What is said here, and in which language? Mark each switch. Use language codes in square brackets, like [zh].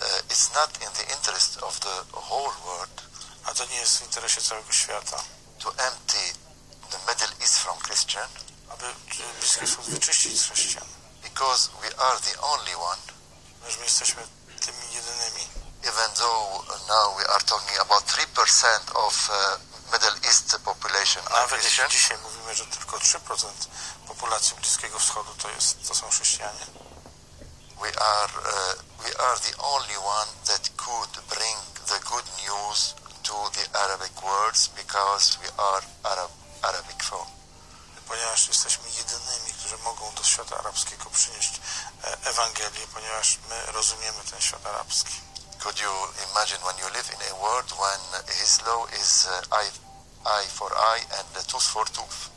[en] It's not in the interest of the whole world. [pl] A to nie jest w interesie całego świata. [en] To empty the Middle East from Christian. [pl] Aby Bliski Wschód wyczyścić z chrześcijan. [en] Because we are the only one. [pl] Ponieważ my jesteśmy tymi jedynymi. [en] Even though now we are talking about 3% of Middle East population. [pl] Nawet jeśli dzisiaj mówimy, że tylko 3% populacji Bliskiego Wschodu to są chrześcijanie. [en] We are the only one that could bring the good news to the Arabic world because we are Arabic phone. [pl] Ponieważ jesteśmy jedynymi, którzy mogą do świata arabskiego przynieść Ewangelię, ponieważ my rozumiemy ten świat arabski. [en] Could you imagine when you live in a world when his law is eye for eye and tooth for tooth?